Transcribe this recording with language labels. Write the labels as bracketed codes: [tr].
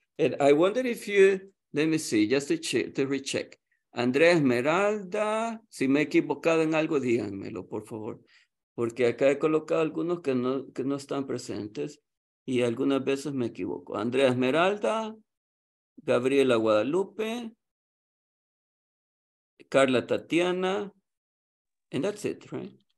[en] And I wonder if you, let me see, just to recheck. [es] Andrea Esmeralda, si me he equivocado en algo, díganmelo, por favor. Porque acá he colocado algunos que no están presentes y algunas veces me equivoco. [en] Andrea Esmeralda, Gabriela Guadalupe, Carla Tatiana, and that's it, right?